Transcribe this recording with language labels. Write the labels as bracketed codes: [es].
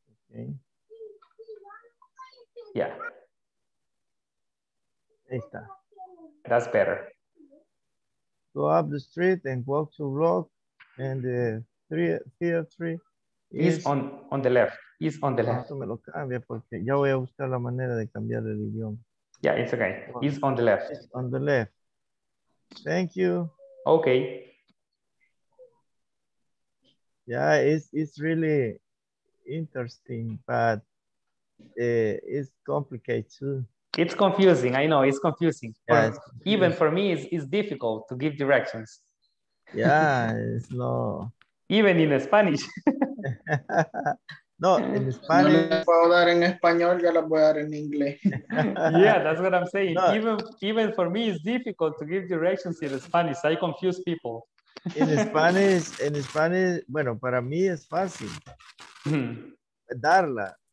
[en] Okay. Yeah. [es] Ahí está. [en] That's better. Go up the street and walk to block, and the theater is on the left. Is on the left. [es] Me lo cambia porque ya voy a buscar la manera de cambiar el idioma. [en] Yeah, it's okay. Is on the left. It's on the left. Thank you. Okay. Yeah, it's really interesting, but it's complicated too. It's confusing. I know it's confusing. Yeah, it's confusing. Even for me, it's difficult to give directions. Yeah, it's no. Even in Spanish. [es] No, en español. No le puedo dar en español, ya la voy a dar en inglés. [en] Yeah, that's what I'm saying. No. Even for me, it's difficult to give directions in Spanish. I confuse people. [es] En Spanish, bueno, para mí es fácil darla.